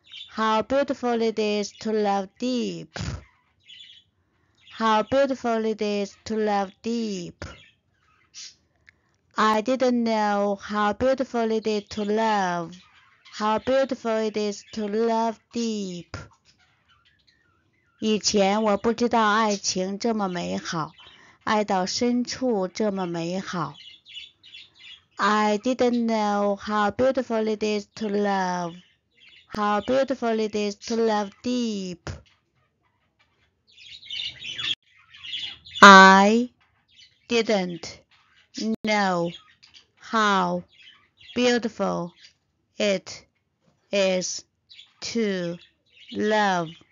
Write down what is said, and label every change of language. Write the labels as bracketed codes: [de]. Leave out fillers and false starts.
[en] How beautiful it is to love deep. How beautiful it is to love deep. I didn't know how beautiful it is to love. How beautiful it is to love deep. [zh] 以前我不知道爱情这么美好，爱到深处这么美好。 [en] I didn't know how beautiful it is to love. How beautiful it is to love deep. I didn't know how beautiful it is to love.